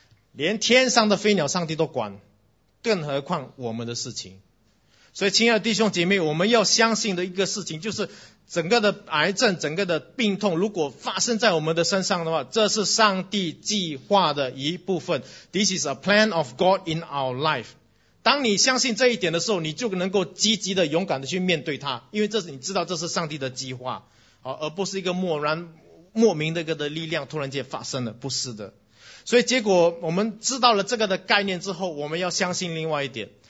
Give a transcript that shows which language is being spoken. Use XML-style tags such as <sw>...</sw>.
<zh>连天上的飞鸟上帝都管，更何况我们的事情。所以亲爱的弟兄姐妹，我们要相信的一个事情，就是整个的癌症，整个的病痛，如果发生在我们的身上的话，这是上帝计划的一部分。</zh> <en>This is a plan of God in our life。</en> <zh>当你相信这一点的时候，你就能够积极的勇敢的去面对它，因为这是你知道这是上帝的计划，而不是一个莫名的一个的力量突然间发生了，不是的。所以结果我们知道了这个的概念之后，我们要相信另外一点。</zh>